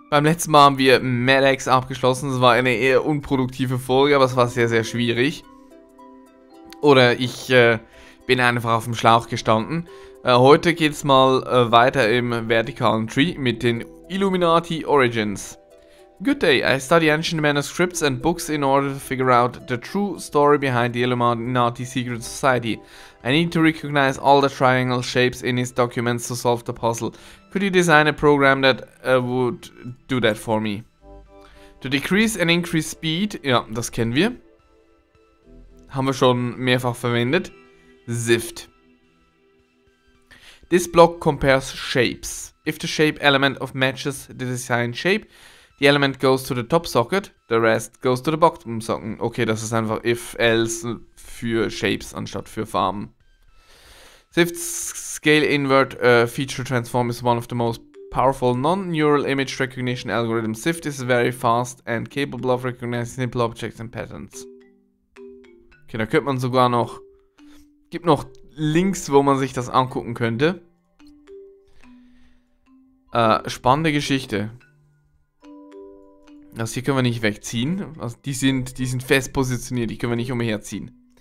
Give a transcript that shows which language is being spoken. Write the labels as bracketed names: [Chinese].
[German] Beim letzten Mal haben wir Maddox abgeschlossen. Es war eine eher unproduktive Folge, aber es war sehr, sehr schwierig. Oder ich bin einfach auf dem Schlauch gestanden. Heute geht's mal weiter im vertikalen Tree mit den Illuminati Origins. [English] Good day, I study ancient manuscripts and books in order to figure out the true story behind the Illuminati secret society. I need to recognize all the triangle shapes in his documents to solve the puzzle. Could you design a program that would do that for me? To decrease and increase speed, [German] ja, das kennen wir. Haben wir schon mehrfach verwendet. Sift. [English] This block compares shapes. If the shape element of matches the design shape, the element goes to the top socket, the rest goes to the bottom socket. [German] Okay, das ist einfach if, else für Shapes anstatt für Farben. [English] Sift's scale invert feature transform is one of the most powerful non-neural image recognition algorithms. Sift is very fast and capable of recognizing simple objects and patterns. [German] Okay, da könnte man sogar noch... Gibt noch Links, wo man sich das angucken könnte. Spannende Geschichte. Das hier können wir nicht wegziehen. Also die sind fest positioniert, die können wir nicht umherziehen.